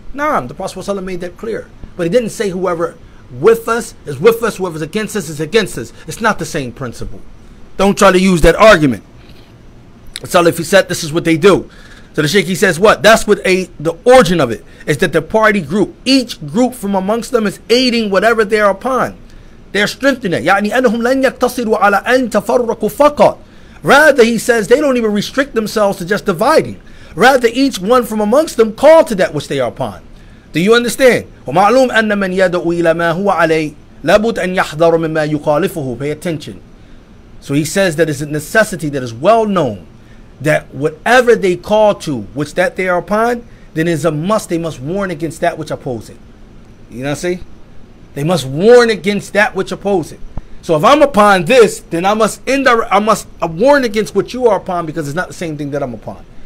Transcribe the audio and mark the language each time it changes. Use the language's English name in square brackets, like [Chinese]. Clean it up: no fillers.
[English] Naam, the Prophet ﷺ made that clear. But he didn't say whoever with us is with us, whoever's against us is against us. It's not the same principle. Don't try to use that argument. Salafi said, this is what they do. So the Shaykh, he says what? That's what the origin of it is, that the party group, each group from amongst them is aiding whatever they're upon. They're strengthening. [Arabic] يعني أنهم لن يقتصروا على أن تفرقوا فقط. [English] Rather, he says, they don't even restrict themselves to just dividing. Rather, each one from amongst them call to that which they are upon. Do you understand? [Arabic] ومعلوم أن من يدعو إلى ما هو عليه لابد أن يحذر مما يخالفه. [English] Pay attention. So he says that it's a necessity that is well known that whatever they call to, which that they are upon, then is a must. They must warn against that which oppose it. You know what I say? They must warn against that which oppose it. So if I'm upon this, then I must warn against what you are upon, because it's not the same thing that I'm upon.